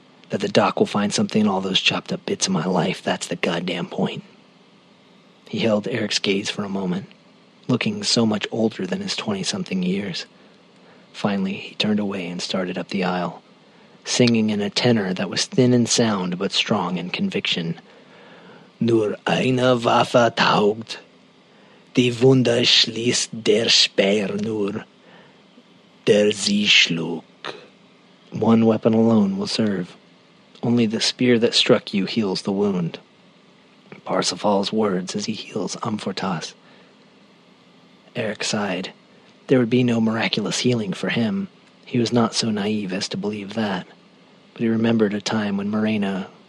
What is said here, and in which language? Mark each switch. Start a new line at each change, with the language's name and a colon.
English: That the doc will find something in all those chopped up bits of my life, that's the goddamn point." He held Eric's gaze for a moment, looking so much older than his 20-something years. Finally, he turned away and started up the aisle, singing in a tenor that was thin in sound but strong in conviction.
German: "Nur eine Waffe taugt, die Wunde schließt der Speer nur, der sie schlug."
English: One weapon alone will serve. Only the spear that struck you heals the wound. Parsifal's words as he heals Amfortas. Eric sighed. There would be no miraculous healing for him. He was not so naive as to believe that. But he remembered a time when Mirena